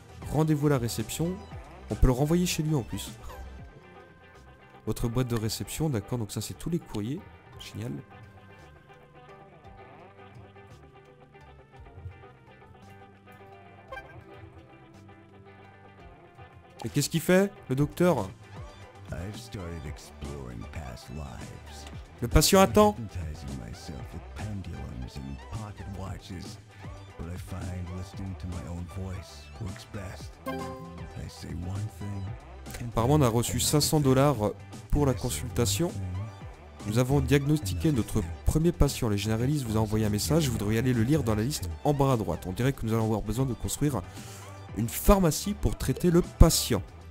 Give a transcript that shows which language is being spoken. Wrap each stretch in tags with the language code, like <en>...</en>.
<fr>Rendez-vous à la réception. On peut le renvoyer chez lui en plus. Votre boîte de réception, d'accord. Donc ça, c'est tous les courriers. Génial. Et qu'est-ce qu'il fait, le docteur?</fr> <en>I've started exploring past lives.</en> <fr>Le patient attend.</fr> <en>Hypnotizing myself with pendulums and pocket watches, but I find listening to my own voice works best. I say one thing.</en> <fr>Apparemment, on a reçu $500 pour la consultation. Nous avons diagnostiqué notre premier patient. Le généraliste vous a envoyé un message. Je voudrais aller le lire dans la liste en bas à droite. On dirait que nous allons avoir besoin de construire une pharmacie pour traiter le patient.</fr>